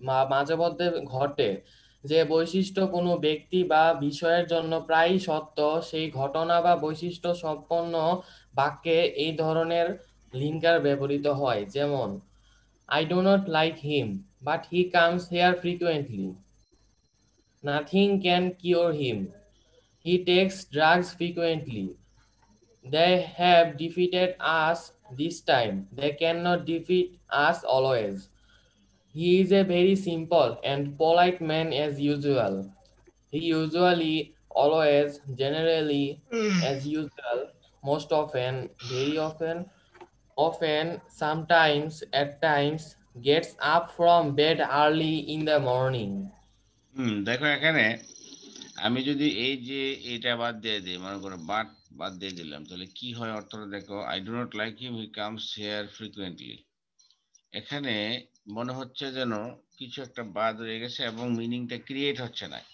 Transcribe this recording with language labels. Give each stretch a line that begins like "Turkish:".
Bangla: মাঝে মধ্যে ঘটে যে বৈশিষ্ট্য কোনো ব্যক্তি বা বিষয়ের জন্য প্রায়ই সত্য সেই ঘটনা বা বৈশিষ্ট্য সম্পন্ন বাক্যে এই ধরনের লিঙ্কার ব্যবহৃত হয় যেমন
English: I do not like him but he comes here frequently nothing can cure him he takes drugs frequently they have defeated us This time they cannot defeat us always. He is a very simple and polite man as usual. He usually, always, generally, as usual, most often, very often, often, sometimes, at times, gets up from bed early in the morning.
Bangla: দেখো এখানে আমি যদি এই যে এটা বাদ দিয়ে দিই, মনে করো বাট বাদ দিয়ে দিলাম, তাহলে কি হয় অর্থটা দেখো,
English: I do not like him, he comes here frequently.
Bangla: এখানে মনে হচ্ছে যেন কিছু একটা বাদ রয়ে গেছে এবং মিনিংটা ক্রিয়েট হচ্ছে না।